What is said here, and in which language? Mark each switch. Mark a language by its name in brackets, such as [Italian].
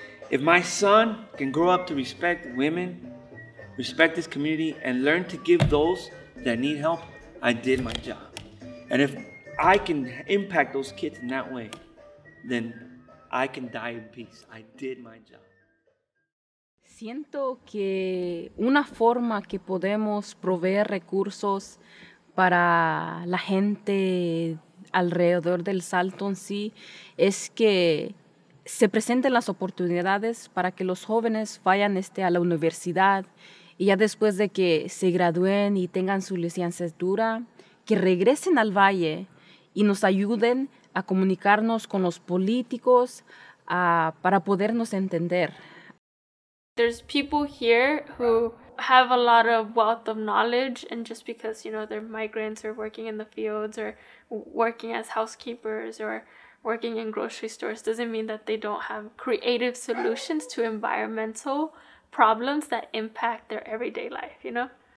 [English] If my son can grow up to respect women, respect his community, and learn to give those that need help, I did my job. And if I can impact those kids in that way, then I can die in peace. I did my job. [Spanish] Siento que una forma que podemos proveer recursos para la gente alrededor del Salton Sea es que se presenten las oportunidades para que los jóvenes vayan a la universidad y ya después de que se gradúen y tengan su licenciatura, que regresen al valle y nos ayuden a comunicarnos con los políticos, para podernos entender. [English] There's people here who have a lot of wealth of knowledge, and just because, you know, they're migrants or working in the fields or working as housekeepers or working in grocery stores doesn't mean that they don't have creative solutions to environmental problems that impact their everyday life, you know?